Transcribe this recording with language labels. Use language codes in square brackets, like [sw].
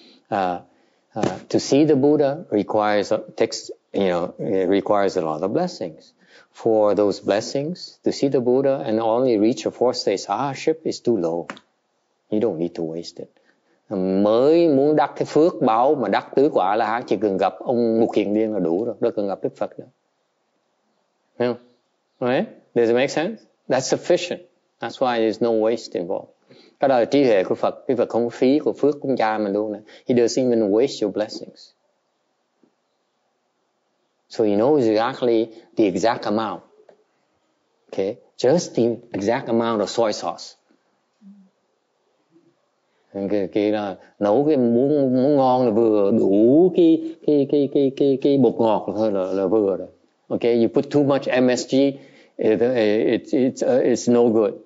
[en] To see the Buddha requires a lot of blessings. For those blessings, to see the Buddha and only reach a fourth stage sahaship is too low. You don't need to waste it. [vi] Mới muốn đắc cái phước báo mà đắc tứ quả là chỉ cần gặp ông Mục Kiền Liên là đủ rồi. Đâu cần gặp Đức Phật nữa. [en] Right? Does it make sense? That's sufficient. That's why there's no waste involved. [vi] Cái đó là trí huệ của Phật. Cái Phật không phí của phước của cha mình luôn. [en] He doesn't even waste your blessings. So he knows exactly the exact amount. Okay? Just the exact amount of soy sauce. [vi] Cái là nấu cái muốn ngon là vừa đủ cái bột ngọt thôi là vừa rồi. [en] Okay, you put too much MSG, it's no good.